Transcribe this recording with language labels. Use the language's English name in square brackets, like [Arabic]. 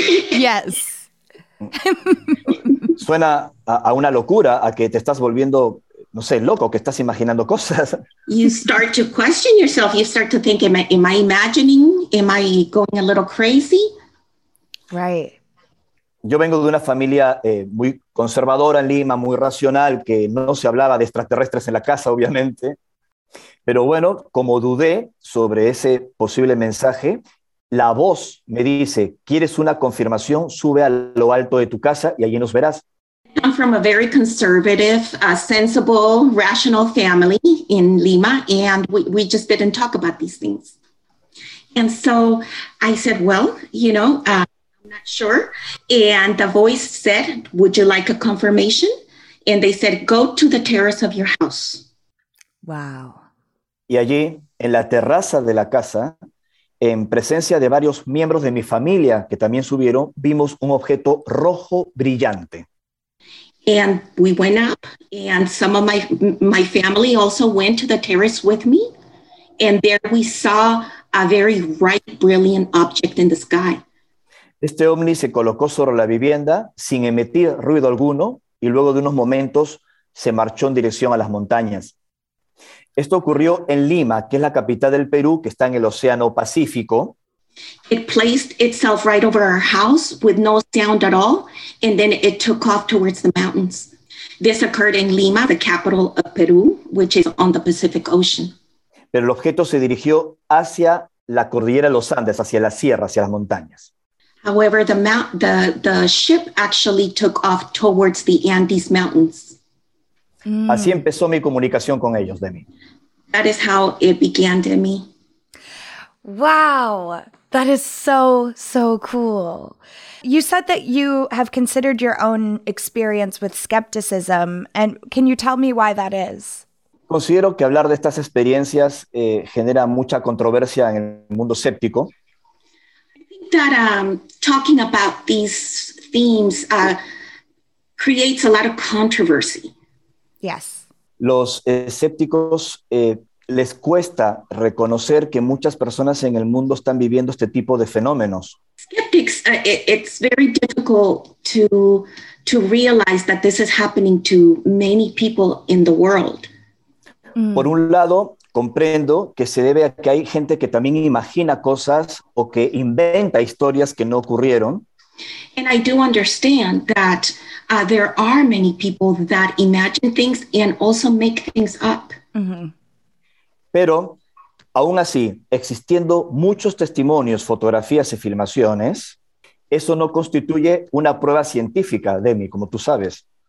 [English] Yes. [Spanish] Suena a una locura, a que te estás volviendo, no sé, loco, que estás imaginando cosas. [English] You start to question yourself. You start to think, am I imagining? Am I going a little crazy? Right. [Spanish] Yo vengo de una familia muy conservadora en Lima, muy racional, que no se hablaba de extraterrestres en la casa, obviamente. Pero bueno, como dudé sobre ese posible mensaje, la voz me dice, ¿quieres una confirmación? Sube a lo alto de tu casa y allí nos verás. [English] I'm from a very conservative, sensible, rational family in Lima, and we just didn't talk about these things. And so I said, well, you know, I'm not sure. And the voice said, would you like a confirmation? And they said, go to the terrace of your house. Wow. [Spanish] Y allí, en la terraza de la casa, en presencia de varios miembros de mi familia que también subieron, vimos un objeto rojo brillante. [English] And we went up, and some of my family also went to the terrace with me. And there we saw a very bright, brilliant object in the sky. [Spanish] Este ovni se colocó sobre la vivienda sin emitir ruido alguno y luego de unos momentos se marchó en dirección a las montañas. Esto ocurrió en Lima, que es la capital del Perú, que está en el Océano Pacífico. [English] It placed itself right over our house with no sound at all, and then it took off towards the mountains. This occurred in Lima, the capital of Peru, which is on the Pacific Ocean. [Spanish] Pero el objeto se dirigió hacia la cordillera de los Andes, hacia la sierra, hacia las montañas. [English] However, the ship actually took off towards the Andes Mountains. [Spanish] Así empezó mi comunicación con ellos, Demi. [English] That is how it began, Demi. Wow, that is so, so cool. You said that you have considered your own experience with skepticism, and can you tell me why that is? [Spanish] Considero que hablar de estas experiencias genera mucha controversia en el mundo escéptico. [English] That talking about these themes creates a lot of controversy. Yes. [Spanish] Los escépticos les cuesta reconocer que muchas personas en el mundo están viviendo este tipo de fenómenos. [English] Skeptics, it's very difficult to realize that this is happening to many people in the world. [Spanish] Por un lado, comprendo que se debe a que hay gente que también imagina cosas o que inventa historias que no ocurrieron. [English] And I do understand that there are many people that imagine things and also make things up. Mm-hmm. [Spanish] Pero, aún así, existiendo muchos testimonios, fotografías y filmaciones, eso no constituye una prueba científica, Demi, como tú sabes.